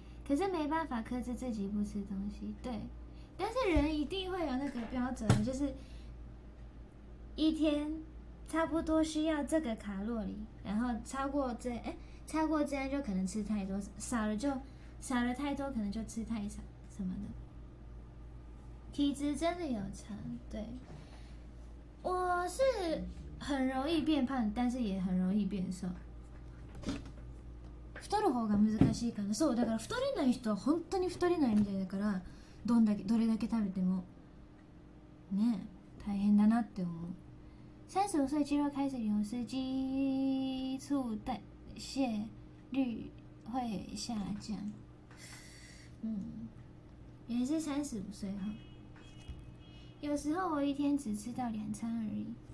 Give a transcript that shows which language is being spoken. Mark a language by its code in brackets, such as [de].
[zh] 可是没办法克制自己不吃东西。对，但是人一定会有那个标准，就是一天差不多需要这个卡路里，然后超过这样就可能吃太多，少了太多可能就吃太少什么的。体质真的有差，对。我是很容易变胖，但是也很容易变瘦。 [ja] 太る方が難しいかな。そうだから太れない人は本当に太れないみたいだから、どれだけ食べてもね、大変だなって思う。 [zh] 三十五岁肌肉开始流失，基础代谢率会下降。嗯，也是35岁哈。有时候我一天只吃到两餐而已，